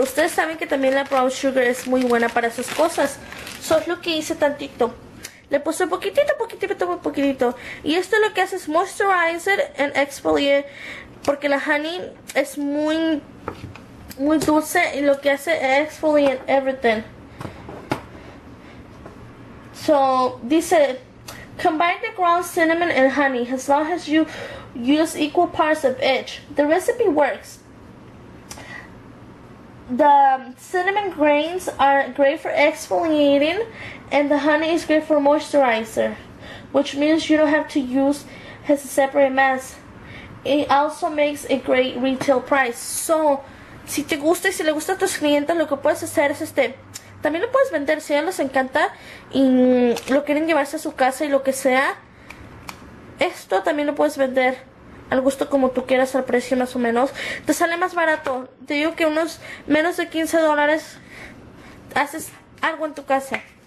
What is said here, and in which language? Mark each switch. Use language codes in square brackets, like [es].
[es] Ustedes saben que también la brown sugar es muy buena para esas cosas. Eso es lo que hice tantito. Le puse poquitito, poquitito, poquitito. Y esto lo que hace es [en] moisturizer and exfoliate. [es] Porque la honey es muy, muy dulce. Y lo que hace es [en] exfoliate everything. So, dice, combine the ground cinnamon and honey as long as you use equal parts of each. The recipe works. The cinnamon grains are great for exfoliating and the honey is great for moisturizer, which means you don't have to use as a separate mask. It also makes a great retail price. [es] So, si te gusta y si le gusta a tus clientes, lo que puedes hacer es este. También lo puedes vender si a ellos les encanta y lo quieren llevarse a su casa y lo que sea. Esto también lo puedes vender al gusto como tú quieras, al precio más o menos. Te sale más barato. Te digo que unos menos de $15 haces algo en tu casa.